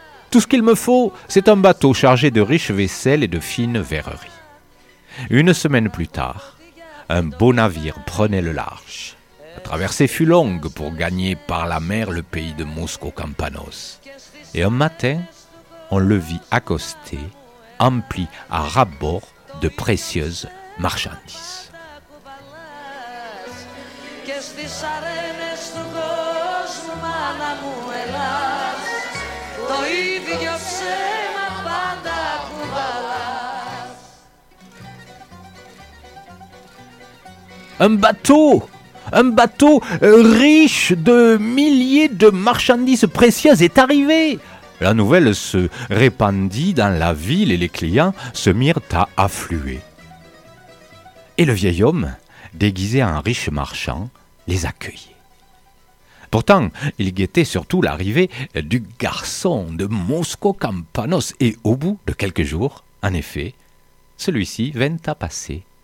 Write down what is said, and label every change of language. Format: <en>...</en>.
<fr>Tout ce qu'il me faut, c'est un bateau chargé de riches vaisselles et de fines verreries. » Une semaine plus tard, un beau navire prenait le large. La traversée fut longue pour gagner par la mer le pays de Mosco Campanos. Et un matin, on le vit accosté, empli à ras-bord de précieuses marchandises.</fr> <el>Στις αρένες του κόσμου, μάνα μου, ελάς, το ίδιο ψέμα πάντα κουβαλάς.</el> <fr>Un bateau riche de milliers de marchandises précieuses est arrivé. La nouvelle se répandit dans la ville et les clients se mirent à affluer. Et le vieil homme déguisé en riche marchand, les accueillit. Pourtant, il guettait surtout l'arrivée du garçon de Mosco Campanos et au bout de quelques jours, en effet, celui-ci vint à passer.</fr>